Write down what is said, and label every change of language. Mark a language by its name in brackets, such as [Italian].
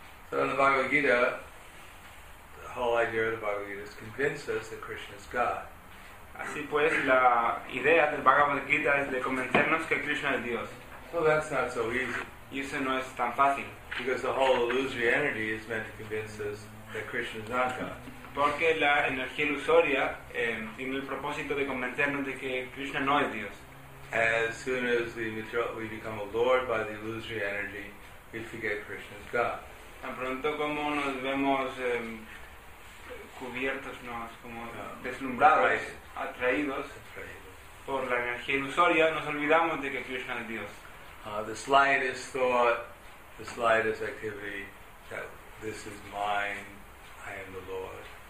[English] So in the Bhagavad Gita, the whole idea of the Bhagavad Gita is to convince us that Krishna is God. [Spanish] Así pues, la idea del Bhagavad Gita es de convencernos que Krishna es Dios. [English] So that's not so easy. [Spanish] Y eso no es tan fácil. [English] Because the whole illusory energy is meant to convince us that Krishna is not God. [Spanish] Porque la energía ilusoria tiene el propósito de convencernos de que Krishna no es Dios. [English] As soon as we become allured by the illusory energy, we forget Krishna is God. [Spanish] Tan pronto como nos vemos cubiertos, nos como deslumbrados, atraídos por la energía ilusoria, nos olvidamos de que Krishna es Dios. [English] The slightest thought, the slightest activity, that this is mine, I am the Lord.